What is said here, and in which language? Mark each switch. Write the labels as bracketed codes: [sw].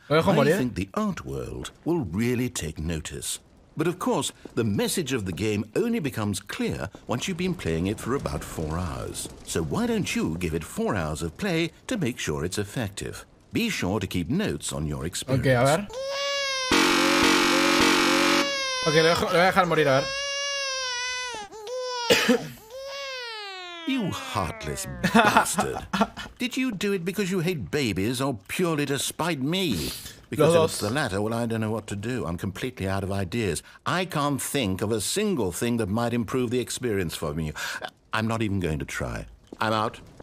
[en] I think the art world will really take notice. But of course, the message of the game only becomes clear once you've been playing it for about 4 hours. So why don't you give it 4 hours of play to make sure it's effective? Be sure to keep notes on your experience. [es] Okay, a ver. Okay, lo voy a dejar morir, a ver. [en] You heartless bastard. Did you do it because you hate babies or purely to spite me? Because if it's the latter, well, I don't know what to do. I'm completely out of ideas. I can't think of a single thing that might improve the experience for me. I'm not even going to try. I'm out.